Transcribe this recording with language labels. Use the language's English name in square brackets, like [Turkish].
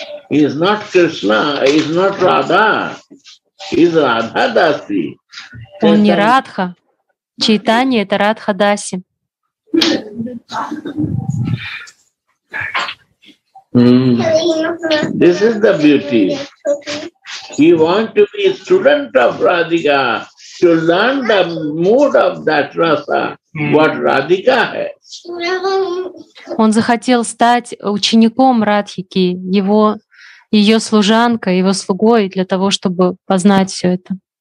[English] He is not Krishna, he is not Radha. He is Radha Dasi. [Russian] Он не Радха. Чайтанья — это Радха Даси. [English] This is the beauty. He wants to be a student of Radhika, to learn the mood of that rasa, what Radhika has. [Russian] Он захотел стать учеником Радхики, его, ее служанкой, его слугой, для того, чтобы познать все это.